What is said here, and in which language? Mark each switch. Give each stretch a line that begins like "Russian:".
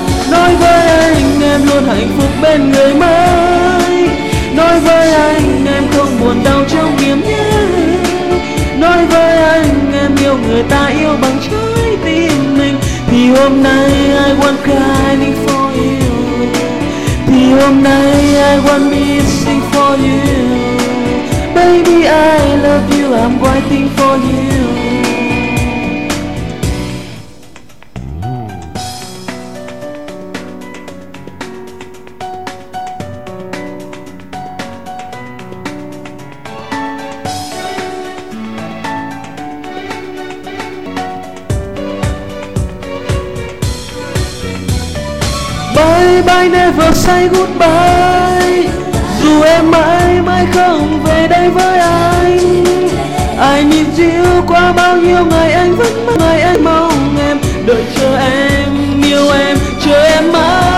Vietnamese: Nói với anh em luôn hạnh phúc bên người mới. Nói với anh em không buồn đau trong niềm nhớ. Nói với anh em yêu người ta yêu bằng trái tim mình. Thì hôm nay
English: I want crying for you.
Vietnamese: Thì hôm nay
English: I want missing for you. Baby, I love you, I'm waiting for you. Bye bye, never say goodbye.
Vietnamese: Dù em mãi mãi không về đây với anh,
English: I need you.
Vietnamese: Qua bao nhiêu ngày anh vẫn mong, ngày anh mong em, đợi chờ em, yêu em, chờ em mãi.